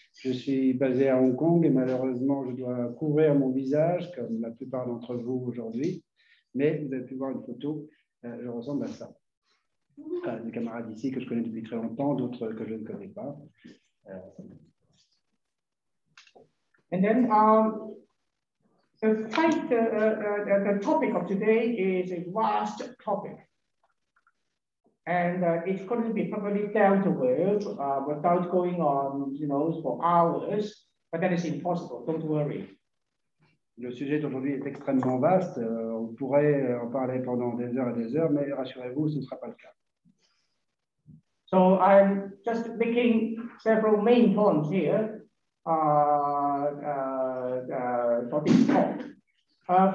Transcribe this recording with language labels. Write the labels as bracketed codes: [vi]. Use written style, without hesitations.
[fr] Je suis basé à Hong Kong et malheureusement je dois couvrir mon visage comme la plupart d'entre vous aujourd'hui. Mais vous avez pu voir une photo, je ressemble à ça. Des camarades ici que je connais depuis très longtemps, d'autres que je ne connais pas. [en] And then, the topic of today is a vast topic. And it couldn't be properly dealt with without going on, you know, for hours. But that is impossible. Don't worry. [fr] Le sujet d'aujourd'hui est extrêmement vaste. On pourrait en parler pendant des heures et des heures, mais rassurez-vous, ce ne sera pas le cas. [en] So I'm just making several main points here for this talk.